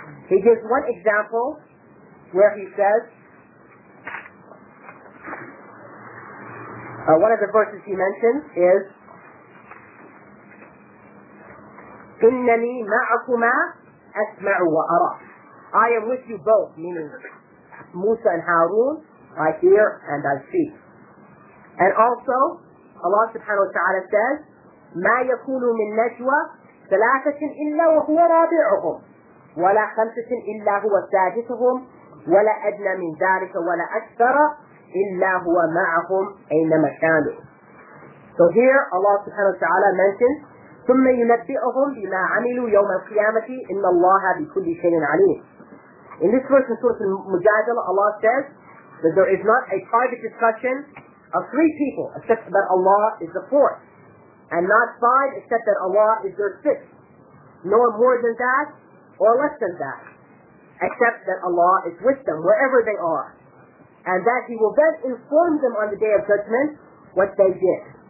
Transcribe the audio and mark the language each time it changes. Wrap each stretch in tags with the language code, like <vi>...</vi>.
<en>He gives one example where he says, one of the verses he mentions is,</en> <ar>إِنَّنِي مَعَكُمَا أَسْمَعُ وَأَرَى.</ar> <en>I am with you both, meaning Musa and Harun, I hear and I see. And also, Allah subhanahu wa ta'ala says,</en> <ar>مَا يَكُونُ مِن نَجْوَى ثَلَاثَةٍ إِلَّا وَهُوَ رَابِعُهُمْ وَلَا خَمْسَةٍ إِلَّا هُوَ سَادِسُهُمْ وَلَا أَدْنَى مِن ذَلِكَ وَلَا أَكْثَرَ إِلَّا هُوَ مَعَهُمْ أَيْنَمَا كَانُوا.</ar> <en>So here, Allah subhanahu wa ta'ala mentions,</en> <ar>ثُمَّ يُنَبِّئُهُمْ بِمَا عَمِلُوا يَوْمَ الْقِيَامَةِ إِنَّ اللَّهَ بِكُلِّ شَيْءٍ عَلِيمٍ.</ar> <en>In this verse in Surah Al-Mujadala, Allah says that there is not a private discussion of three people except that Allah is the fourth, and not five except that Allah is their sixth, nor more than that or less than that, except that Allah is with them wherever they are, and that He will then inform them on the Day of Judgment what they did.</en>